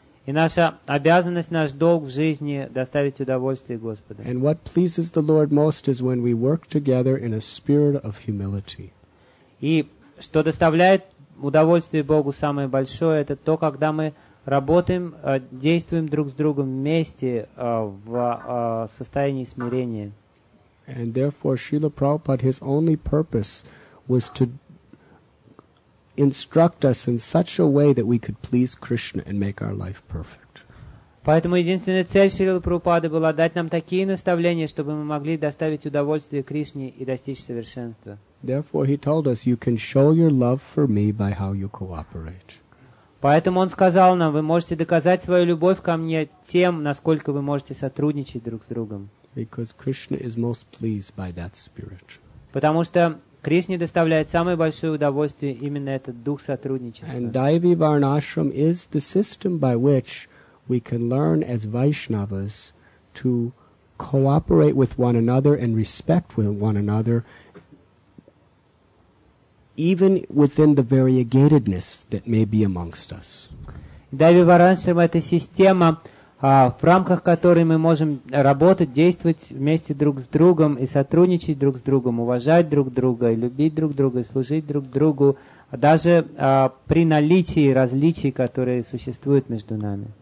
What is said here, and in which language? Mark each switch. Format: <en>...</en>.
<ru>И наша обязанность, наш долг в жизни доставить удовольствие Господу.</ru> <en>And what pleases the Lord most is when we work together in a spirit of humility.</en> <ru>И что доставляет удовольствие Богу самое большое, это то, когда мы работаем, действуем друг с другом вместе в состоянии смирения.</ru> <en>And therefore, Srila Prabhupada, his only purpose was to instruct us in such a way that we could please Krishna and make our life perfect.</en> <ru>Поэтому единственная цель Шрилы Прабхупады была дать нам такие наставления, чтобы мы могли доставить удовольствие Кришне и достичь совершенства.</ru> <en>Therefore, he told us, you can show your love for me by how you cooperate.</en> <ru>Поэтому он сказал нам, вы можете доказать свою любовь ко мне тем, насколько вы можете сотрудничать друг с другом.</ru> <en>Because Krishna is most pleased by that spirit.</en> <ru>Потому что Кришне доставляет самое большое удовольствие именно этот дух сотрудничества.</ru> <en>And Daivi Varnashram is the system by which we can learn as Vaishnavas to cooperate with one another and respect with one another, even within the variegatedness that may be amongst us.</en> <ru>Daivi Varnashram – это система, в рамках которой мы можем работать, действовать вместе друг с другом и сотрудничать друг с другом, уважать друг друга, и любить друг друга, и служить друг другу, даже при наличии различий, которые существуют между нами.</ru>